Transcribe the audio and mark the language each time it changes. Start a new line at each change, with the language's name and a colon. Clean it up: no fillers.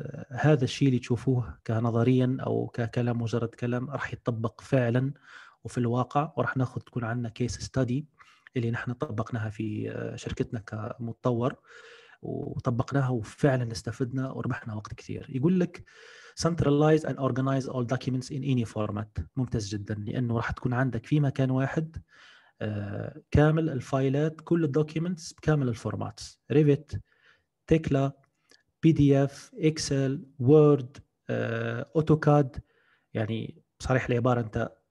Arabic: هذا الشيء اللي تشوفوه كنظريا او ككلام مجرد كلام راح يتطبق فعلا وفي الواقع، وراح ناخذ تكون عندنا كيس ستادي اللي نحن طبقناها في شركتنا كمتطور وطبقناها وفعلا استفدنا وربحنا وقت كثير. يقول لك
English: centralize and organize all documents in any format.
Arabic: ممتاز جدا، لأنه راح تكون عندك في مكان واحد كامل الفايلات، كل الدوكيمنتس بكامل الفورماتس، ريفيت، تيكلا، بي دي اف، اكسل، وورد، اوتوكاد. يعني بصريح العبارة انت